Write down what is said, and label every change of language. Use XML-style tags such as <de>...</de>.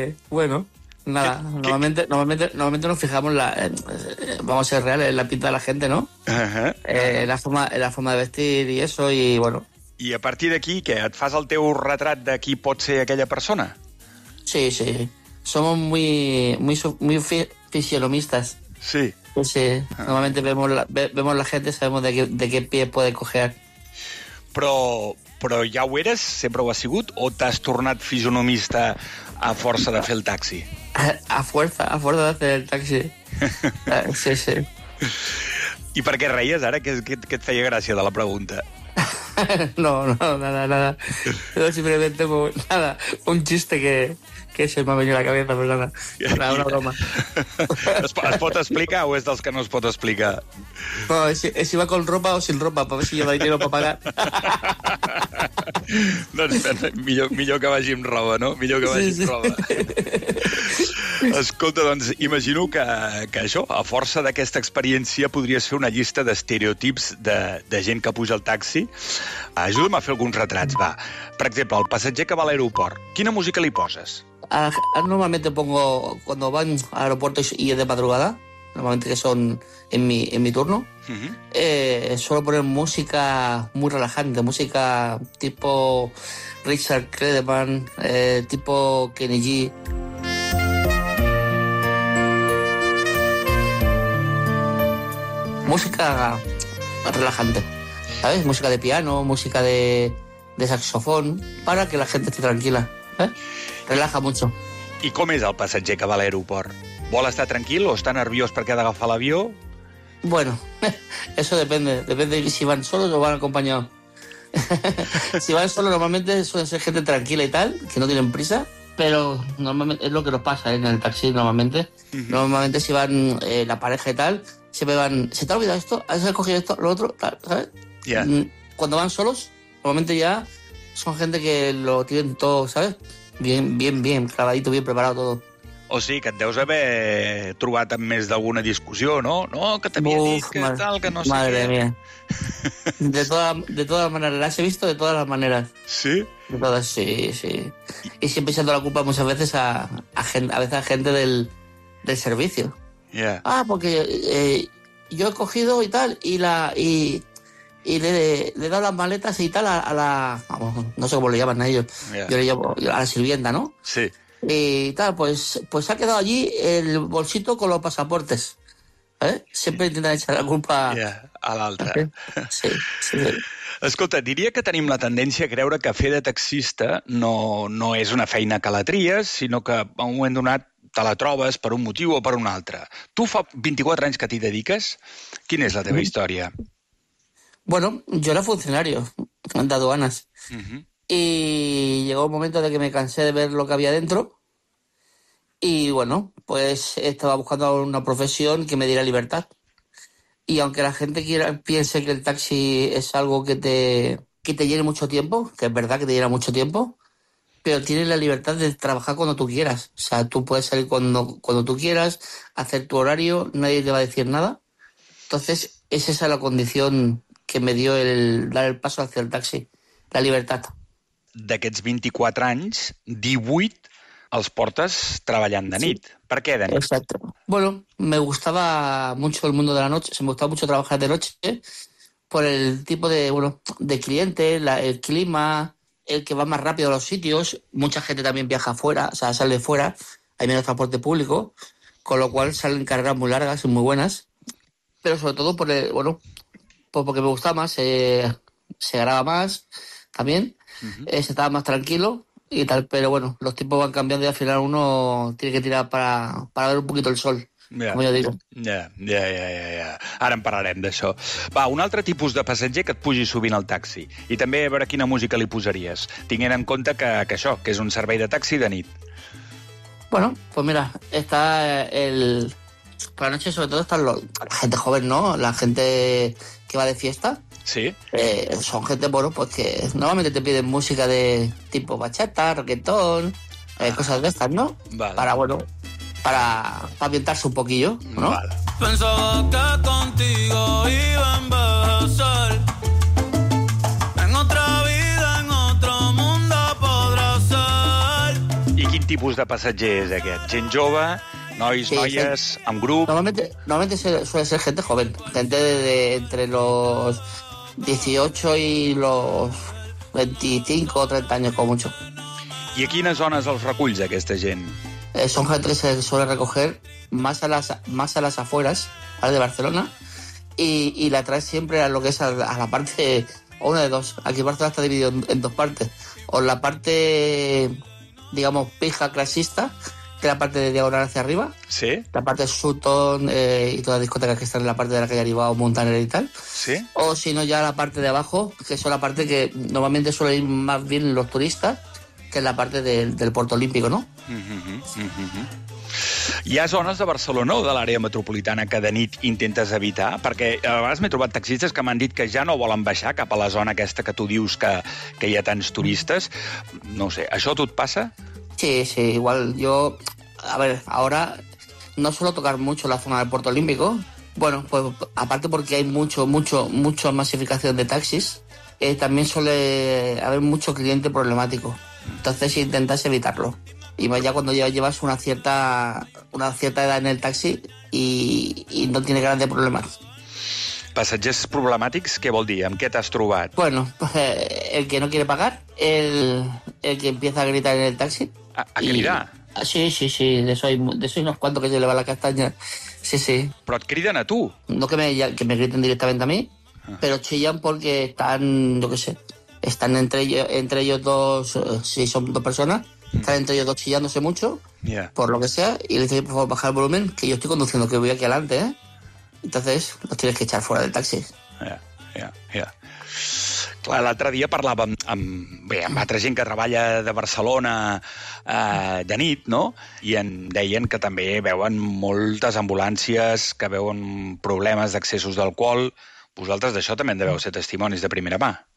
<es>bueno, nada, normalmente nos fijamos vamos a ser reales, en la pinta de la gente, ¿no? Uh-huh. La forma de vestir y eso, y bueno.</es> <ca>I a partir d'aquí, què, et fas el teu retrat de qui pot ser aquella persona?</ca> <es>Sí, sí. Somos muy fisionomistas. Sí. Sí, uh-huh. Normalmente vemos la gente, sabemos de qué pie puede coger.</es> <ca>Però ja ho eres, sempre ho has sigut, o t'has tornat fisionomista a força de fer el taxi? A força de fer el taxi. Sí, sí. I per què reies ara? Què et feia gràcia de la pregunta?</ca> <es>No, no, nada, nada. Yo simplemente, pues, nada, un chiste que se me ha venido a la cabeza, pues nada, nada, una broma.</es> <ca>¿Es pot explicar o és dels que no es pot explicar?</ca> <es>No, si va con ropa o sin ropa, para ver si lleva dinero para pagar.</es> <ca>Doncs millor que vagi amb roba, no? Millor que vagi amb roba. Escolta, doncs, imagino que això, a força d'aquesta experiència, podries fer una llista d'estereotips de gent que puja al taxi. Ajuda'm a fer alguns retrats, va. Per exemple, el passatger que va a l'aeroport, quina música li poses?</ca> <es>Normalmente pongo, cuando van</es> <ca>a l'aeroport</ca> <es>y es de madrugada, normalmente que son en mi turno, suelo poner música muy relajante, música tipo Richard Kledemann, tipo Kenny G. Música relajante, ¿sabes? Música de piano, música de saxofón, para que la gente esté tranquila, ¿eh? Relaja mucho. ¿Y cómo es el</es> <ca>passatger que va a l'aeroport? ¿Vol estar tranquil o està nerviós perquè ha d'agafar l'avió?</ca> <es>Bueno, eso depende. Depende si van solos o van acompañados. Si van solos, normalmente suelen ser gente tranquila y tal, que no tienen prisa, pero normalmente es lo que nos pasa, ¿eh? En el taxi, normalmente. Normalmente si van la pareja y tal, siempre van... ¿Se te ha olvidado esto? ¿Has escogido esto? ¿Lo otro? Tal, ¿sabes? Yeah. Cuando van solos, normalmente ya son gente que lo tienen todo, ¿sabes? Bien, bien, bien, clavadito, bien preparado todo.</es> <ca>O sigui, que et deus haver trobat amb més d'alguna discussió, no? No, que t'havia dit que</ca> <es>madre, tal, que no sé madre què. Madre mía. De todas maneras, las he visto de todas las maneras. ¿Sí? De todas, sí, sí. Y siempre echando la culpa muchas veces a veces a gente del servicio. Yeah. Ah, porque yo he cogido y tal, y le he dado las maletas y tal a la... Vamos, no sé cómo le llaman a ellos. Yeah. Yo le llamo a la sirvienta, ¿no? Sí. Y tal, pues ha quedado allí el bolsito con los pasaportes, ¿eh? Siempre intentan echar la culpa...</es> <ca>Yeah, a l'altre.</ca> <es>Sí, sí, sí.</es> <ca>Escolta, diria que tenim la tendència a creure que fer de taxista no és una feina que la tries, sinó que a un moment donat te la trobes per un motiu o per un altre. Tu fa 24 anys que t'hi dediques. Quina és la teva història?</ca> <es>Bueno, yo era funcionario de aduanas. Y llegó un momento de que me cansé de ver lo que había dentro. Y bueno, pues estaba buscando una profesión que me diera libertad. Y aunque la gente piense que el taxi es algo que te llene mucho tiempo, que es verdad que te llena mucho tiempo, pero tienes la libertad de trabajar cuando tú quieras. O sea, tú puedes salir cuando tú quieras, hacer tu horario, nadie te va a decir nada. Entonces, es esa la condición que me dio el dar el paso hacia el taxi, la libertad.</es> <ca>D'aquests 24 anys, 18 els portes treballant de nit. Sí. Per què de nit?</ca> <es>Exacto. Bueno, me gustaba mucho el mundo de la noche, se me gustaba mucho trabajar de noche, por el tipo de cliente, el clima, el que va más rápido a los sitios, mucha gente también viaja fuera, o sea, sale fuera, hay menos transporte público, con lo cual salen carreras muy largas y muy buenas, pero sobre todo por porque me gustaba más, se graba más también, se estaba más tranquilo y tal, pero bueno, los tiempos van cambiando y al final uno tiene que tirar para ver un poquito el sol.</es> <ca>Ja. Ara en parlarem d'això. Va, un altre tipus de passatger que et pugi sovint al taxi. I també a veure quina música li posaries, tinguent en compte que això, que és un servei de taxi de nit.</ca> <es>Bueno, pues mira, está el... Por la noche, sobre todo, están la gente joven, ¿no? La gente que va de fiesta. Sí. Son gente, bueno, pues que normalmente te piden música de tipo bachata, reggaetón, cosas de estas, ¿no? Vale. Para ambientarse un poquillo, ¿no? Vale. Pensaba que contigo iba a embarazar. En otra vida, en otro mundo podrá ser.</es> <ca>¿Y quin tipus de passatger és aquest? Gent jove, nois, sí, noies, en grup...</ca> <es>Normalmente suele ser gente joven. Gente de entre los 18 y los 25 o 30 años, como mucho. ¿Y a quines zones els reculls aquesta gent? Son gente que se suele recoger más a las afueras, ¿vale? De Barcelona, y la trae siempre a lo que es a la parte, o una de dos. Aquí Barcelona está dividido en dos partes. O la parte, digamos, pija clasista, que la parte de Diagonal hacia arriba. Sí. La parte de Sutton y todas las discotecas que están en la parte de la calle Aribao, Montaner y tal. Sí. O si no, ya la parte de abajo, que es la parte que normalmente suelen ir más bien los turistas, que es la parte del Puerto Olímpico, ¿no?</es> <ca>Hi ha zones de Barcelona o de l'àrea metropolitana que de nit intentes evitar? Perquè a vegades m'he trobat taxistes que m'han dit que ja no volen baixar cap a la zona aquesta que tu dius que hi ha tants turistes. No sé, això a tu et passa?</ca> <es>Sí, sí, igual yo... A ver, ahora no suelo tocar mucho la zona del Puerto Olímpico. Bueno, pues aparte porque hay mucho masificación de taxis, también suele haber mucho cliente problemático. Entonces intentas evitarlo. Y vaya cuando ya llevas una cierta edad en el taxi y no tienes grandes problemas.</es> <ca>¿Passatgers problemàtics què vol dir? ¿Amb què t'has trobat?</ca> <es>Bueno, el que no quiere pagar, el que empieza a gritar en el taxi. ¿A gritar? Sí, sí, sí, de eso hay unos cuantos que se le va la castaña. Sí, sí.</es> <ca>¿Però et criden a tu?</ca> <es>No que me griten directamente a mí, pero chillan porque están, yo qué sé, están entre ellos dos, si son dos personas, están entre ellos dos chillándose mucho, por lo que sea, y le dicen, por favor, bajar el volumen, que yo estoy conduciendo, que voy aquí adelante, ¿eh? Entonces, los tienes que echar fuera del taxi.</es> <ca>Clar, l'altre dia parlava amb altra gent que treballa de Barcelona de nit, no? I en deien que també veuen moltes ambulàncies, que veuen problemes d'accessos d'alcohol. Vosaltres d'això també en deveu ser testimonis de primera mà.</ca>